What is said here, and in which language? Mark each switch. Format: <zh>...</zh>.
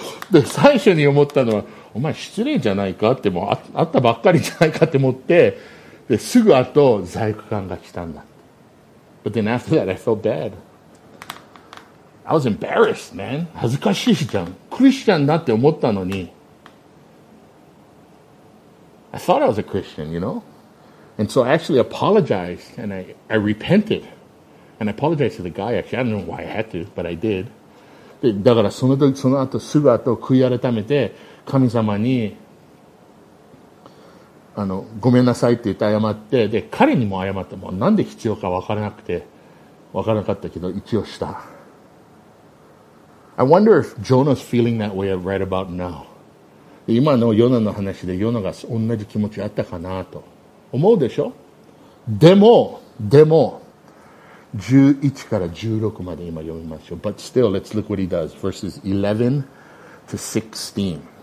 <ja>で、最初に思ったのは、お前失礼じゃないかって、もう会ったばっかりじゃないかって思って、で、すぐ後、罪悪感が来たんだ。</ja> <en>But then after that, I felt bad. I was embarrassed, man.</en> <ja>恥ずかしいじゃん。クリスチャンだって思ったのに。</ja> <en>I thought I was a Christian, you know? And so I actually apologized and I repented. And I apologized to the guy, actually. I don't know why I had to, but I did.</en> <ja>で、だからその時、その後、すぐ後、悔い改めて、神様に、ごめんなさいって言って謝って、で、彼にも謝って、もうなんで必要か分からなくて、分からなかったけど、一応した。</ja> <en>I wonder if Jonah's feeling that way right about now.</en> <ja>今のヨナの話でヨナが同じ気持ちあったかなと思うでしょ。でも、 11から16まで今読みましょう。</ja> <en>But still, let's look what he does. Verses 11 to 16.</en>